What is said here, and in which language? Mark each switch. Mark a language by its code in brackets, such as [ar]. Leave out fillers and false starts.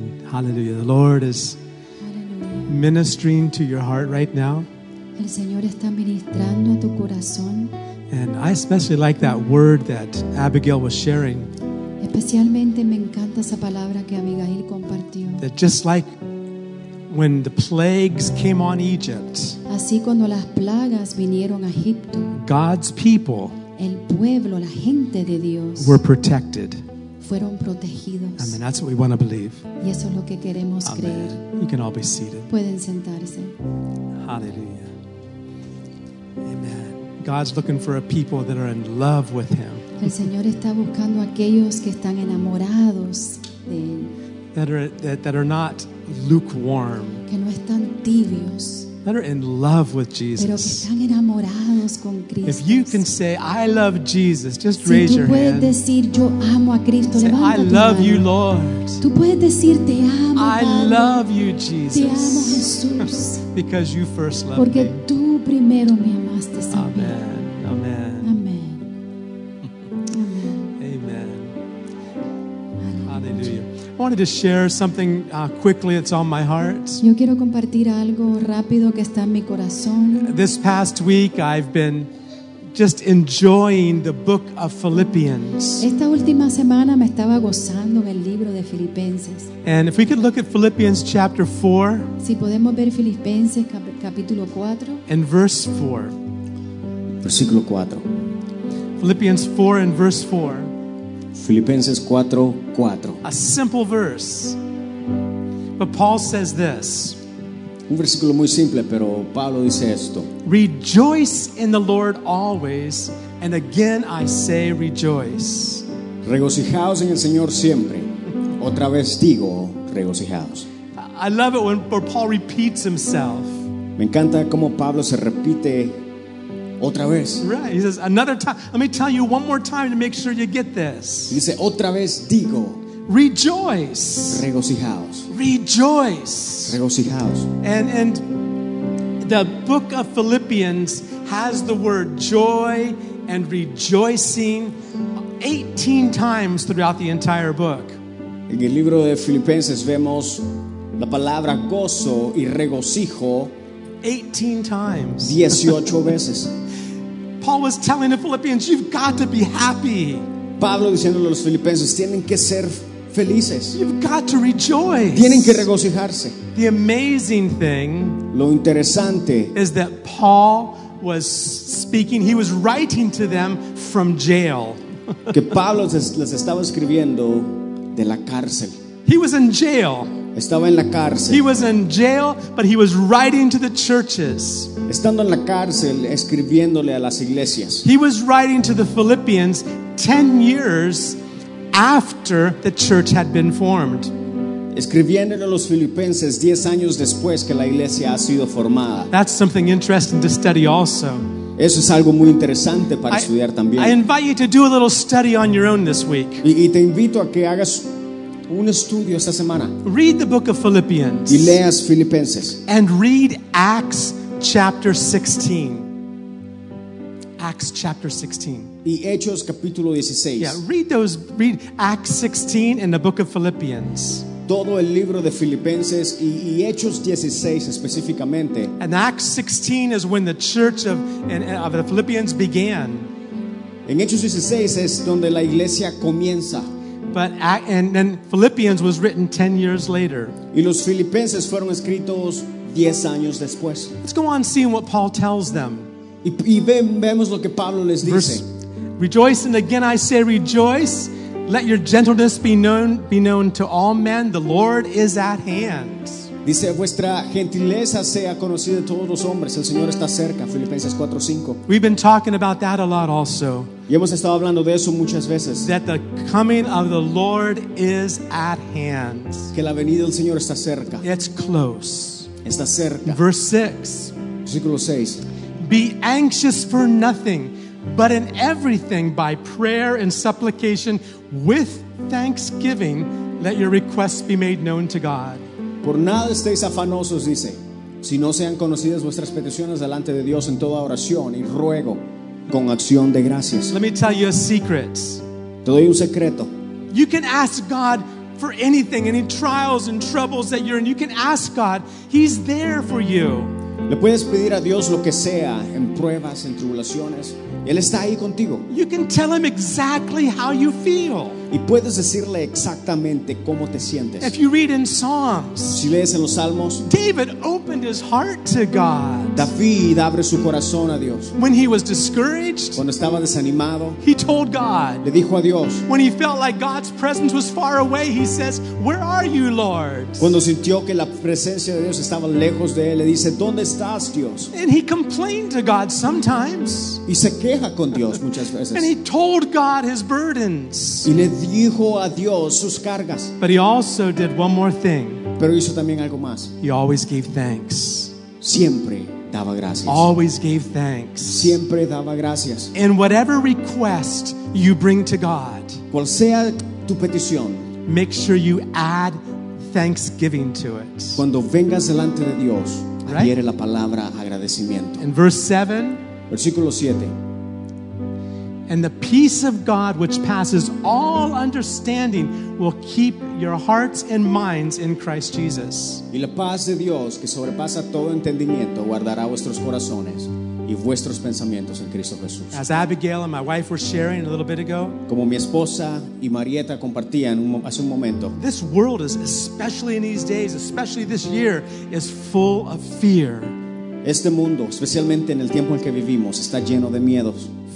[en] Hallelujah. The Lord is ministering to your heart right now. [es] El Señor está ministrando a tu corazón. [en] And I especially like that word that Abigail was sharing. [es] Especialmente me encanta esa palabra que Abigail compartió. [en] That just like when the plagues came on Egypt, [es] así cuando las plagas vinieron a Egipto, [en] God's people, [es] el pueblo, la gente de Dios, [en] were protected. [es] Fueron protegidos. [en] I mean, that's what we want to believe. [es] Y eso es lo que queremos [en] Amen. [es] Creer. [en] You can all be seated. [es] Pueden sentarse. [en] Hallelujah. Amen. God's looking for a people that are in love with Him. [es] El Señor está buscando aquellos que están enamorados de Él. [en] That are not lukewarm. [es] Que no están tibios. [en] That are in love with Jesus. [es] Pero que están enamorados con Cristo. [en] If you can say, I love Jesus, just [es] si [en] raise your hand. [es] Decir, yo amo a Cristo, [en] say, I love you, Lord. [es] Tú puedes decir, te amo, [en] I [es] Padre. [en] Love you, Jesus. [es] Te amo, Jesús. [en] Because you first loved [es] Porque [en] me. [es] Tú primero me amaste, [en] Amen. Amen. Amen. Amen. Amen. Hallelujah. I wanted to share something quickly that's on my heart. [es] Yo quiero compartir algo rápido que está en mi corazón. [en] This past week I've been just enjoying the book of Philippians. [es] Esta última semana me estaba gozando en el libro de Filipenses. [en] And if we could look at Philippians chapter 4. [es] Si podemos ver Filipenses capítulo 4. [en] And verse 4. [es] Versículo 4. [en] Philippians 4 and verse 4. [es] Filipenses 4:4. [en] A simple verse. But Paul says this. [es] Un versículo muy simple, pero Pablo dice esto. [en] Rejoice in the Lord always, and again I say rejoice. [es] Regocijaos en el Señor siempre. Otra vez digo, regocijaos. [en] I love it when Paul repeats himself. [es] Me encanta cómo Pablo se repite otra vez. [en] Right. He says another time. Let me tell you one more time to make sure you get this. He says [es] otra vez digo. [en] Rejoice. [es] Regocijaos. [en] Rejoice. [es] Regocijaos. [en] And the book of Philippians has the word joy and rejoicing 18 times throughout the entire book. [es] En el libro de Filipenses vemos la palabra gozo y regocijo [en] 18 times. [es] 18 veces. [en] Paul was telling the Philippians, you've got to be happy. [es] Pablo diciéndole a los filipenses, tienen que ser felices. [en] You've got to rejoice. [es] Tienen que regocijarse. [en] The amazing thing, [es] lo interesante, [en] is that Paul was speaking, he was writing to them from jail. [es] Que Pablo les estaba escribiendo de la cárcel. [en] He was in jail. [es] Estaba en la cárcel. [en] He was in jail, but he was writing to the churches. [es] Estando en la cárcel, escribiéndole a las iglesias. [en] He was writing to the Philippians 10 years after the church had been formed. [es] Escribiéndole a los filipenses 10 años después que la iglesia ha sido formada. [en] That's something interesting to study also. [es] Eso es algo muy interesante para estudiar también. [en] I invite you to do a little study on your own this week. [es] Y te invito a que hagas un estudio esta semana. [en] Read the book of Philippians. [es] Y leas Filipenses. [en] And read Acts chapter 16. Acts chapter 16. [es] Y Hechos capítulo 16. [en] Yeah, read Acts 16 in the book of Philippians. [es] Todo el libro de Filipenses y Hechos 16 específicamente. [en] And Acts 16 is when the church of the Philippians began. [es] En Hechos 16 es donde la iglesia comienza. [en] But and then Philippians was written 10 years later. [es] Y los filipenses fueron escritos 10 años después. [en] Let's go on seeing what Paul tells them. [es] Y vemos lo que Pablo les dice. [en] Verse, rejoice and again I say rejoice. Let your gentleness be known to all men. The Lord is at hand. [es] Dice vuestra gentileza sea conocida de todos los hombres. El Señor está cerca. Filipenses 4:5. [en] We've been talking about that a lot also. [es] Y hemos estado hablando de eso muchas veces. [en] That the coming of the Lord is at hand. [es] Que la venida del Señor está cerca. [en] It's close. [es] Está cerca. [en] Verse 6. [es] Versículo 6. [en] Be anxious for nothing, but in everything by prayer and supplication with thanksgiving let your requests be made known to God. [es] Por nada estéis afanosos, dice, si no sean conocidas vuestras peticiones delante de Dios en toda oración y ruego con acción de gracias. [en] Let me tell you a secret. [es] Te doy un secreto. [en] You can ask God for anything, any trials and troubles that you're in. You can ask God. He's there for you. [es] Le puedes pedir a Dios lo que sea en pruebas, en tribulaciones. Él está ahí contigo. [en] You can tell him exactly how you feel. [es] Y puedes decirle exactamente cómo te sientes. [en] If you read in Psalms, [es] si lees en los Salmos, [en] David opened his heart to God. [es] David abre su corazón a Dios. [en] When he was discouraged, [es] cuando estaba desanimado, [en] he told God. [es] Le dijo a Dios. [en] When he felt like God's presence was far away, he says, "Where are you, Lord?" [es] Cuando sintió que la presencia de Dios estaba lejos de él, le dice, "¿Dónde estás, Dios?" [en] And he complained to God sometimes. [es] Y se queja con Dios muchas veces. [en] And he told God his burdens. [es] Y le dijo a Dios sus cargas. [en] But he also did one more thing. [es] Pero hizo también algo más. [en] He always gave thanks. [es] Siempre daba gracias. [en] Always gave thanks. [es] Siempre daba gracias. [en] In whatever request you bring to God, [es] cual sea tu petición, [en] make sure you add thanksgiving to it. [es] Cuando vengas delante de Dios, adhiere [en] right? [es] la palabra agradecimiento. [en] In verse 7, [es] versículo 7. [en] And the peace of God, which passes all understanding, will keep your hearts and minds in Christ Jesus. [es] Y la paz de Dios, que sobrepasa todo entendimiento, guardará vuestros corazones y vuestros pensamientos en Cristo Jesús. [en] As Abigail and my wife were sharing a little bit ago, [es] como mi esposa y Marieta compartían hace un momento, [en] this world is, especially in these days, especially this year, is full of fear. [es] Este mundo, especialmente en el tiempo en que vivimos, está lleno de miedos.